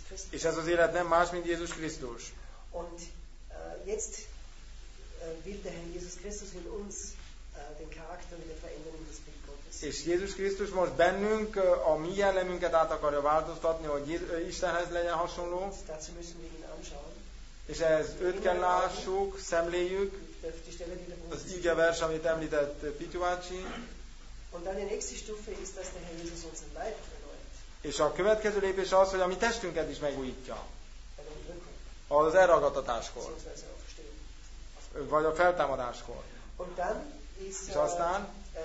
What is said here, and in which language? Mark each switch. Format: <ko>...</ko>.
<hu>És ez az élet nem más, mint Jézus Krisztus.</hu> <de>Und jetzt will der Herr Jesus Christus in uns den Charakter wieder verändern in das Bild Gottes.</de> <hu>És Jézus Krisztus most bennünk a mi jellemünket át akarja változtatni, hogy Istenhez legyen hasonló.</hu> <de>Dazu müssen wir ihn anschauen.</de> <hu>És ehhez őt kell lássuk, szemléljük. Az ige vers, amit említett Pityu bácsi.</hu> <de>Und dann die nächste Stufe ist, dass der Herr Jesus unseren Leib erneuert.</de> <hu>És a következő lépés az, hogy a mi testünket is megújítja. Az elragadtatáskor. Vagy a feltámadáskor. És aztán?</hu>